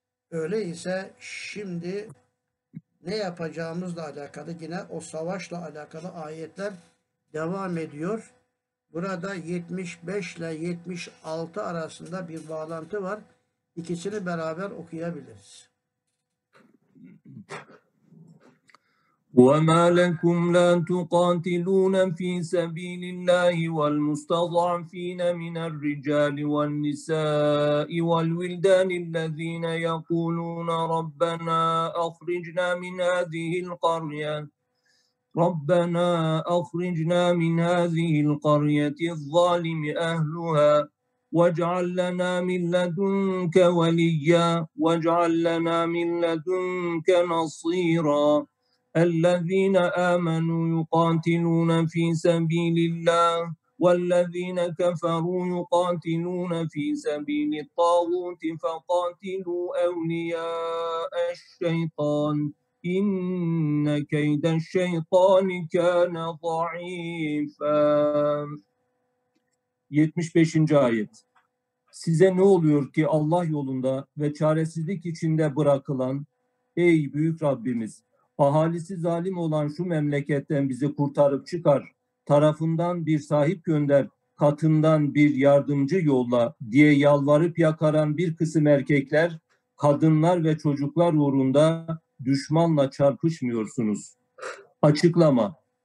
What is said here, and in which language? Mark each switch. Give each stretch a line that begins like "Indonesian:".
Turkish: Öyleyse şimdi ne yapacağımızla alakalı, yine o savaşla alakalı ayetler devam ediyor. Burada 75 ile 76 arasında bir bağlantı var. İkisini beraber okuyabiliriz.
Arabic: وَمَا لَكُمْ لَا تُقَاتِلُونَ فِي سَبِيلِ اللَّهِ وَالْمُسْتَضْعَفِينَ مِنَ الرِّجَالِ وَالنِّسَاءِ وَالْوِلْدَانِ الَّذِينَ يَقُولُونَ رَبَّنَا أَخْرِجْنَا مِنْ هَذِهِ الْقَرْيَةِ رَبَّنَا أَخْرِجْنَا مِنْ هَذِهِ الْقَرْيَةِ الظَّالِمِ أَهْلُهَا وَاجْعَلْ لَنَا مِنْ لَدُنْكَ وَلِيًّا وَاجْعَلْ لَنَا مِنْ لَدُنْكَ نَصِيرًا الذين آمنوا يقاتلون في سبيل الله والذين كفروا يقاتلون في سبيل الطاغوت فقاتلوا أولياء الشيطان إن كيد الشيطان كان ضعيفا.
Turkish: 75. ayet. Size ne oluyor ki Allah yolunda ve çaresizlik içinde bırakılan, ey büyük Rabbimiz, ahalisi zalim olan şu memleketten bizi kurtarıp çıkar, tarafından bir sahip gönder, katından bir yardımcı yolla diye yalvarıp yakaran bir kısım erkekler, kadınlar ve çocuklar uğrunda düşmanla çarpışmıyorsunuz. Açıklama.